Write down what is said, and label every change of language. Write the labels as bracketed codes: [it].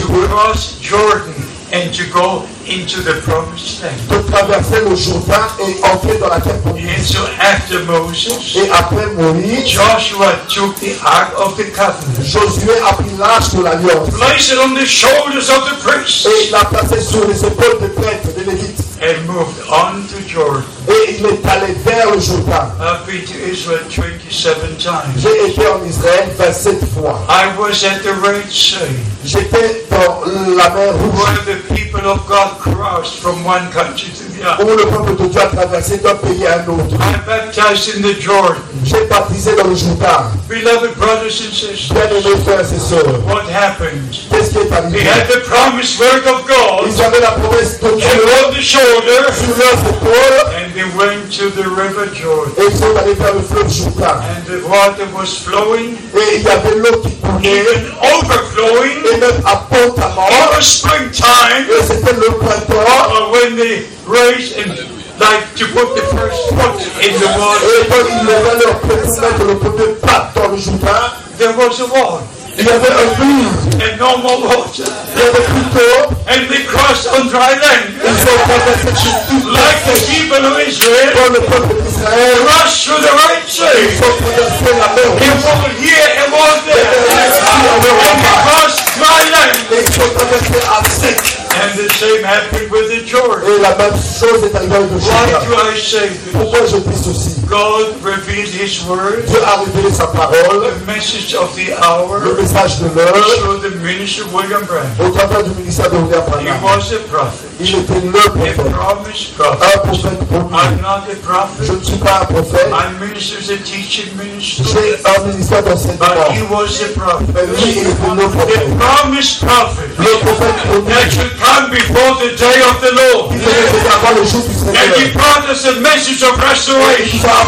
[en] to cross Jordan and to go into the promised land. [fr] De traverser le Jourdain et entrer dans la terre promise. [en] And so after Moses, [fr] et après Moïse, [en] Joshua took the ark of the covenant. [fr] Josué a pris l'arche de l'alliance. [en] Placed it on the shoulders of the priests. [fr] Et l'a placé sur les épaules des prêtres, des lévites. [en] And moved on to Jordan. [fr] Et il est allé vers le Jourdain. [en] I've been to Israel 27 times. [fr] J'ai été en Israël 27 fois. [en] I was at the Red Sea. [fr] J'étais dans la mer Rouge. [en] Where the people of God crossed from one country to the other. [fr] Où le peuple de Dieu a traversé d'un pays à un autre. [en] I baptized in the Jordan. [fr] J'ai baptisé dans le Jourdain. [en] Beloved brothers and sisters. [fr] Bien-aimés frères et sœurs. [en] What happened? [fr] Qu'est-ce qui est arrivé? [en] They had the promised word of God. [fr] Ils avaient la promesse de Dieu. [en] They rolled the shoulder. [fr] Sur leurs épaules. [en] And they went to the River Jordan. [fr] Et ils sont allés vers le fleuve Jourdain. [en] And the water was flowing. [fr] Et il y avait l'eau qui coulait. [en] Even overflowing. [fr] Et même abondamment. [en] All the springtime. [fr] Et c'était le printemps. [en] When they raised and like to put the first foot in the water. [fr] Et quand ils levaient leur pied pour mettre le premier pas dans le Jourdain, [en] there was a wall. [fr] Il y avait un mur. [en] And no more water. [fr] Il y avait plus d'eau. [en] And they crossed on dry land. [fr] Ils ont traversé sur tout. [en] Like the people of Israel. [fr] Comme le peuple d'Israël. [en] Rush through the Red Sea. [fr] Ils ont traversé la mer Rouge. [en] It was here, it was there. And they crossed dry land. [fr] Et ils ont traversé à sec. [en] And the same happened with the Jordan. [fr] Et la même chose est arrivée avec le Jourdain. [en] Why do I say this? [fr] Pourquoi je dis ceci? [en] God revealed His word. [fr] Dieu a révélé sa parole. [en] The message of the hour. [fr] Le message de l'heure. [en] Through the ministry of William Branham. [fr] Au travers du ministère de William Branham. [en] He was a prophet. [fr] Il était le prophète. [en] A promised prophet. [fr] Un prophète promis. [en] I'm not a prophet. [fr] Je ne suis pas un prophète. [en] My ministry is a teaching ministry. [fr] J'ai un ministère d'enseignement. [en] But he was a prophet. [fr] Mais lui, il était le prophète. [en] A promised prophet. [fr] Le prophète promis. [en] Come before the day of the Lord. And he brought us a message of restoration.